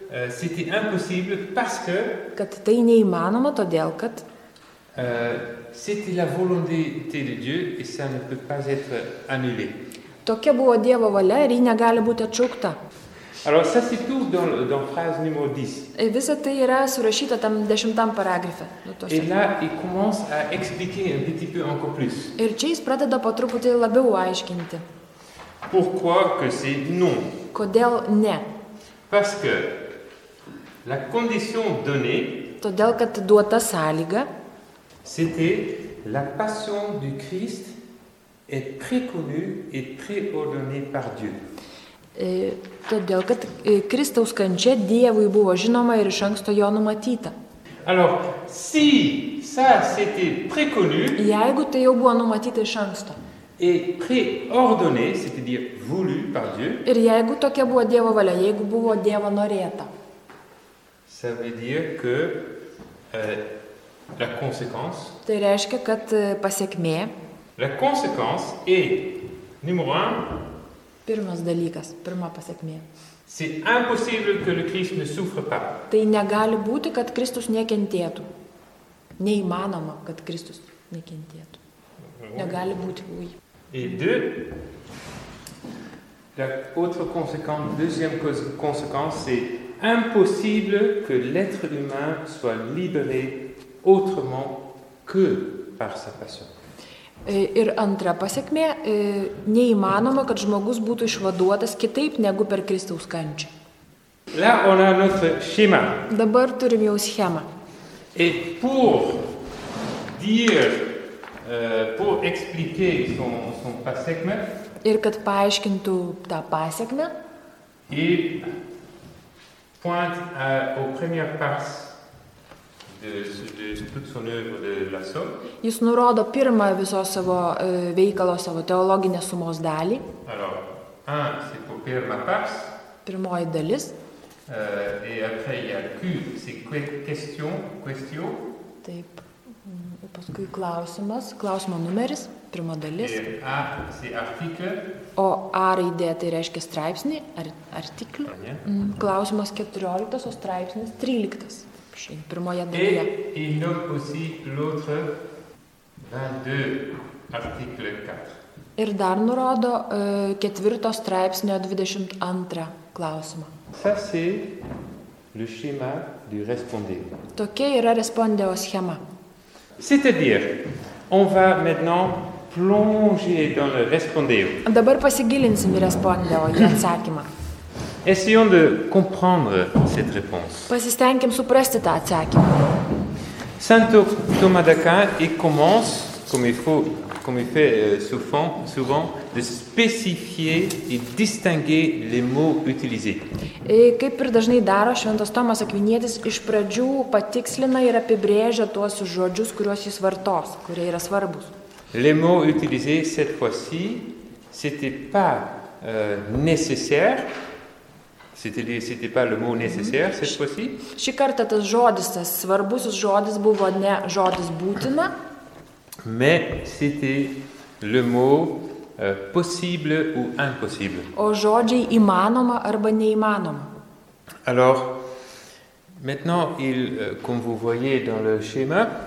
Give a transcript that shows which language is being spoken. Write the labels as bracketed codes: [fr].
[fr] C'était impossible parce que [lt] kad tai neįmanoma todėl kad [fr] c'était la volonté de Dieu et ça ne peut pas être annulé. [lt] Tokia buvo Dievo valia ir ji negali būti atšaukta. [fr] Alors ça c'est tout dans phrase numéro 10. [lt] Et visa tai yra surašyta tam 10 paragrafe. [fr] Et là il commence à expliquer un petit peu encore plus. [lt] Ir čia jis pradeda po truputį labiau aiškinti. [fr] Pourquoi que c'est non? [lt] Kodėl ne? [fr] Parce que la condition donnée, [lt] todėl kad duota sąlyga, [fr] c'était la passion du Christ est préconnue et préordonnée par Dieu. [lt] Todėl kad Kristaus kančia Dievui buvo žinoma ir iš anksto jo numatyta. [fr] Alors, si ça c'était préconnu, [lt] jeigu tai jau buvo numatyta iš anksto, [fr] et préordonné, c'est-à-dire voulu par Dieu. [lt] Ir jeigu tokia buvo Dievo valia, jeigu buvo Dievo norėta. [fr] Ça veut dire que la conséquence. [lt] Tai reiškia, kad pasekmė. [fr] La conséquence est numéro 1. [lt] Pirmas dalykas, pirma pasekmė. [fr] C'est impossible que le Christ ne souffre pas. [lt] Tai negali būti, kad Kristus nekentėtų. Neįmanoma, kad Kristus nekentėtų. Negali būti, [fr] oui. Et deux, la autre conséquence, deuxième conséquence, c'est impossible que l'être humain soit libéré autrement que par sa passion. [lt] Ir antra pasekmė, neįmanoma, kad žmogus būtų išvaduotas kitaip negu per Kristaus kančią. [fr] Là, on a notre schéma. [lt] Dabar turim jau schemą. [fr] Et pour dire pour expliquer son [lt] pasekmė. Ir kad paaiškintų tą pasekmę. [fr] Il pointe au première partie de toute son œuvre de la somme. [lt] Jis nurodo pirmą visos savo veikalo, savo teologinės sumos dalį. [fr] Alors, un, c'est pour première partie. [lt] Pirmoji dalis. [fr] Et après, il y a Q, c'est question. [lt] Taip. Paskui klausimas, klausimo numeris, pirma dalis. [fr] A, c'est article. [lt] O A raidė, tai reiškia straipsnį, artiklį. Klausimas 14, o straipsnis 13. Šiandien pirmoje dalyje. [fr] Et il note aussi l'autre 22, article 4. [lt] Ir dar nurodo ketvirto straipsnio 22 klausimą. [fr] Ça c'est le schéma du respondeur. [lt] Tokia yra respondeo schema. [fr] C'est-à-dire, on va maintenant plonger dans le respondeo. [lt] Dabar pasigilinsim į respondeo, į atsakymą. [fr] Essayons de comprendre cette réponse. [lt] Pasistenkim suprasti tą atsakymą. [fr] Saint Thomas d'Aquin il commence comme il fait souvent de spécifier et distinguer les mots utilisés. [lt] Et kaip ir dažnai daro Šventas Tomas Akvinietis, iš pradžių patikslina ir apibrėžia tuos žodžius, kuriuos jis vartos, kurie yra svarbus. [fr] Les mots utilisés cette fois-ci, c'était pas nécessaire. C'était pas le mot nécessaire cette fois-ci. [lt] Šį kartą tas žodis, tas svarbus žodis buvo ne žodis būtina. [fr] Mais c'était le mot possible ou impossible. [lt] O žodžiai įmanoma arba neįmanoma. [fr] Alors, maintenant, comme vous voyez dans le schéma,